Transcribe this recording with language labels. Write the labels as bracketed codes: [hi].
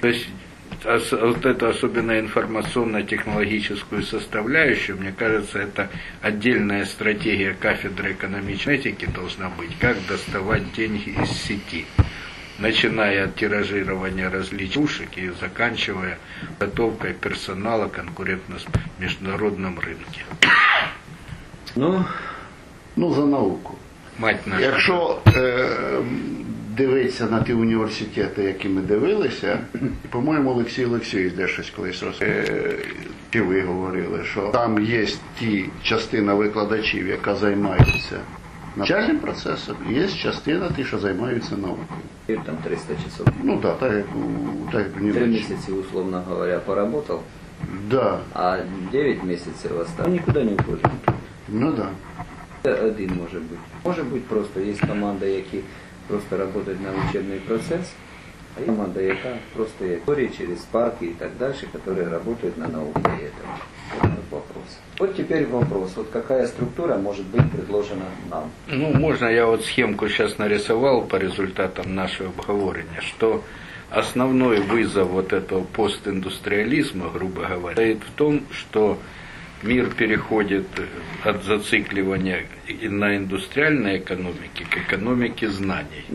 [ru] То есть вот эту особенно информационно-технологическую составляющую, мне кажется, это отдельная стратегия кафедры экономической этики должна быть, как доставать деньги из сети. Начиная от тиражирования различных игрушек и заканчивая готовкой персонала конкурентно в международном рынке. Ну, за науку. Мать наша. [uk] Якщо дивитися на ті університети, які ми дивилися, по-моєму, Олексій Олексійович де щось колись розповів, і ви говорили, що там є ті частина викладачів, яка займається навчальним процесом, і є частина ті, що займаються наукою. [ru] И там 300 часов. Ну да, так не три месяца, условно говоря, поработал. Да. А 9 месяцев осталось. Ну, никуда не уходит. Ну да. Это один может быть. Может быть просто есть команда, которая просто работает на учебный процесс. [uk] А є команда, яка просто є історії через парки і так далі, які працюють на науці і цьому. От тепер вопрос. От яка структура може бути предложена нам? Ну, можна я от схемку зараз нарисував по результатам нашого обговорення, [ru] що основной вызов вот этого постиндустриализма, грубо говоря, стоит в том, что мир переходит от зацикливания на индустриальной экономике к экономике знаний.